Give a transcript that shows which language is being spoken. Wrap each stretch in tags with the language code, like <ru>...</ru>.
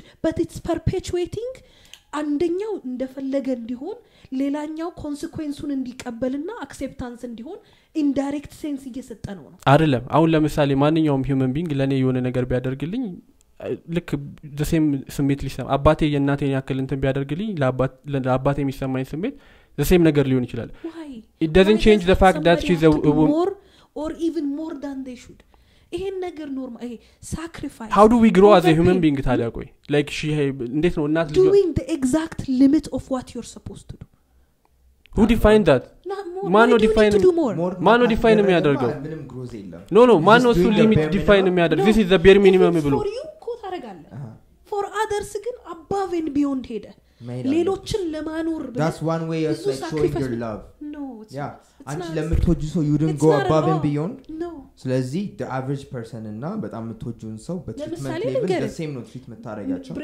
<am>but it's perpetuating አንደኛው እንደፈለገ እንዲሆን ሌላኛው ኮንሲኩዌንሱን እንዲቀበልና አክሴፕታንስ እንዲሆን ኢንዳይሬክት ሴንስ እየሰጠ ነው አይደለም አሁን ለምሳሌ ማንኛውም ሂዩማን ቢንግ ለኔ የሆነ ነገር ቢያደርግልኝ ልክ the same ስሜት ሊሰማ አባቴ የእናቴን ያክል እንትን ቢያደርግልኝ ለአባቴ የሚሰማኝ ስሜት the same ነገር ሊሆን ይችላል</am> <en>why it doesn't change the fact that she's a woman or even more than they should ይሄን ነገር ኖርማል ይሄ ሳክሪፋይስ how do we grow as a human being</en> <am>ታዲያ ቆይ</am> <en>like she hey</en> <am>እንዴት ነው እናት</am> <en>ልጅ doing the exact limit of what you're supposed to do who defined that</en> <am>ማን ነው</am> <en>define</en> <am>ማን ነው</am> <en>define የሚያደርገው no no ማን ነው ሱን limit define የሚያደርገው this is the bare minimum ብሎ</en> <am>አረጋለ</am> <en>ፎር አደርስ</en> <am>ግን</am> <en>አባቭ ኤንድ ቢዮንድ</en> <am>ሄደ ሌሎችን ለማኖር</am> <en>ዳስ ዋን ዌይ ኦፍ ላይክ ሾዊንግ ዩር ላቭ ኖ ኢትስ</en> <am>አንቺ ለምትወጁ ሰው</am> <en>ዩ ዶንት ጎ አባቭ ኤንድ ቢዮንድ ኖ</en> <am>ስለዚህ</am> <en>ዘ አቨሬጅ ፐርሰን</en> <am>እና በጣም የምትወጁን ሰው በትሪትመንት ሌቭል</am> <en>ዘ ሴም ኖት ትሪትመንት</en> <am>ታረጋቸው</am>